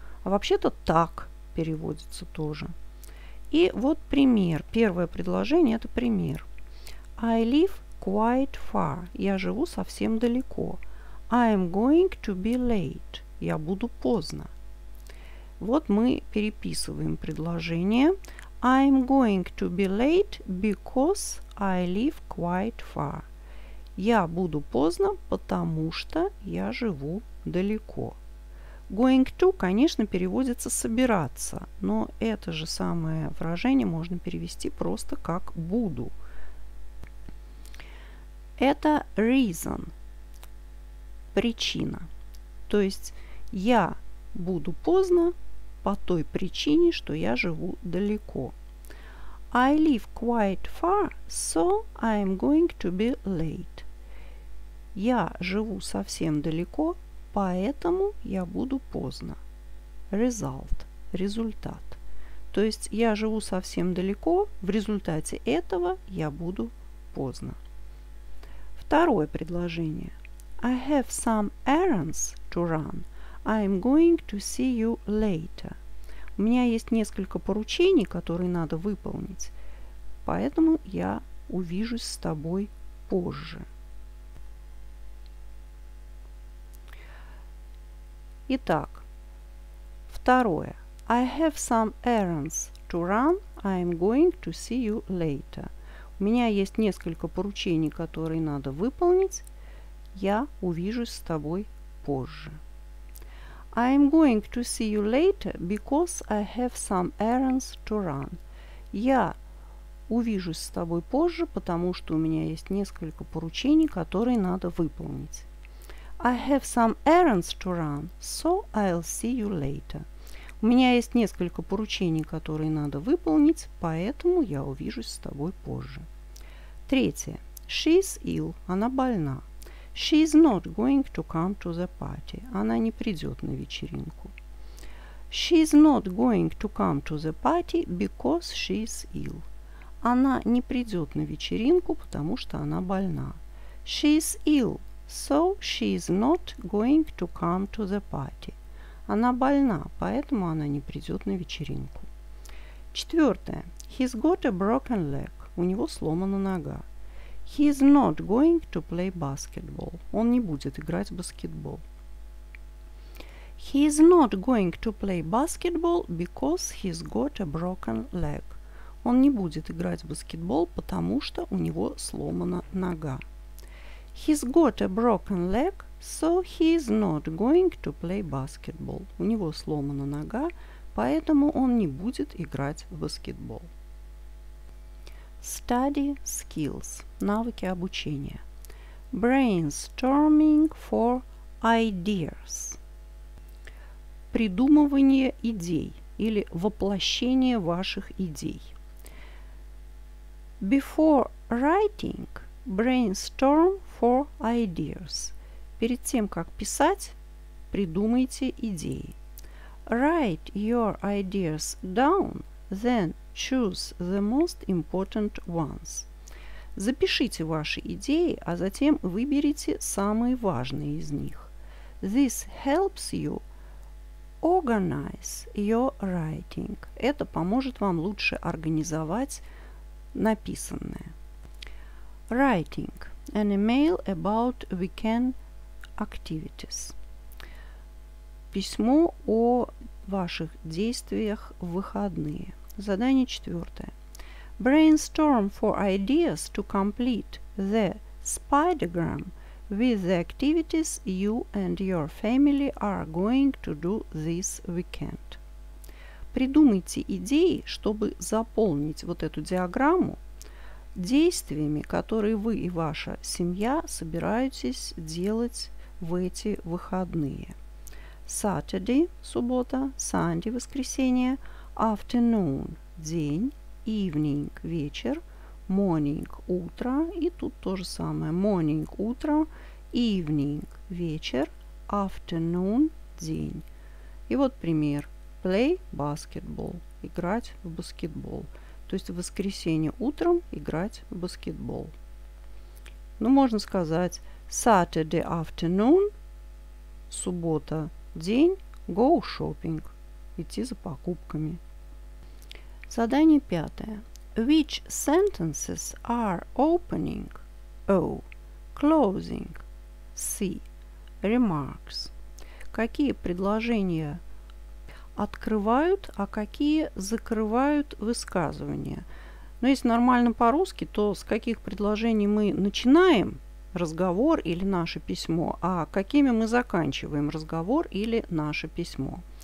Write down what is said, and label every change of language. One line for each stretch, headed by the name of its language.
Russian: А вообще-то так переводится тоже. И вот пример. Первое предложение – это пример.
English: I live quite far.
Russian: Я живу совсем далеко.
English: I'm going to be late.
Russian: Я буду поздно. Вот мы переписываем предложение.
English: I'm going to be late because I live quite far.
Russian: Я буду поздно, потому что я живу далеко. Going to, конечно, переводится собираться, но это же самое выражение можно перевести просто как буду. Это reason, причина. То есть я буду поздно по той причине, что я живу далеко.
English: I live quite far, so I'm going to be late.
Russian: Я живу совсем далеко, поэтому я буду поздно. Result – результат. То есть я живу совсем далеко, в результате этого я буду поздно. Второе предложение.
English: I have some errands to run. I'm going to see you later.
Russian: У меня есть несколько поручений, которые надо выполнить, поэтому я увижусь с тобой позже. Итак, второе.
English: I have some errands to run. I'm going to see you later.
Russian: У меня есть несколько поручений, которые надо выполнить. Я увижусь с тобой позже.
English: I'm going to see you later because I have some errands to run.
Russian: Я увижусь с тобой позже, потому что у меня есть несколько поручений, которые надо выполнить.
English: I have some errands to run, so I'll see you later.
Russian: У меня есть несколько поручений, которые надо выполнить, поэтому я увижусь с тобой позже.
English: Третье. She's ill.
Russian: Она больна.
English: She's not going to come to the party.
Russian: Она не придет на вечеринку.
English: She's not going to come to the party because she's ill.
Russian: Она не придет на вечеринку, потому что она больна.
English: She's ill. So she is not going to come to the party.
Russian: Она больна, поэтому она не придет на вечеринку.
English: Четвертое. He's got a broken leg.
Russian: У него сломана нога.
English: He's not going to play basketball.
Russian: Он не будет играть в баскетбол.
English: He's not going to play basketball because he's got a broken leg.
Russian: Он не будет играть в баскетбол, потому что у него сломана нога.
English: He's got a broken leg, so he's not going to play basketball.
Russian: У него сломана нога, поэтому он не будет играть в баскетбол.
English: Study skills
Russian: – навыки обучения.
English: Brainstorming for ideas
Russian: – придумывание идей или воплощение ваших идей.
English: Before writing – brainstorm for ideas.
Russian: Перед тем, как писать, придумайте идеи.
English: Write your ideas down, then choose the most important ones.
Russian: Запишите ваши идеи, а затем выберите самые важные из них.
English: This helps you organize your writing.
Russian: Это поможет вам лучше организовать написанное.
English: Writing an email about weekend activities.
Russian: Письмо о ваших действиях в выходные. Задание четвертое.
English: Brainstorm for ideas to complete the spidergram with the activities you and your family are going to do this weekend.
Russian: Придумайте идеи, чтобы заполнить вот эту диаграмму действиями, которые вы и ваша семья собираетесь делать в эти выходные.
English: Saturday – суббота, Sunday – воскресенье, afternoon – день, evening – вечер,
Russian: morning – утро. И тут то же самое. Morning – утро. Evening – вечер. Afternoon – день. И вот пример.
English: Play – basketball.
Russian: Играть в баскетбол. То есть в воскресенье утром играть в баскетбол. Ну, можно сказать
English: Saturday afternoon,
Russian: суббота, день,
English: go shopping,
Russian: идти за покупками. Задание пятое.
English: Which sentences are opening, O, closing, C, remarks?
Russian: Какие предложения открывают, а какие закрывают высказывания? Но если нормально по-русски, то с каких предложений мы начинаем разговор или наше письмо, а какими мы заканчиваем разговор или наше письмо.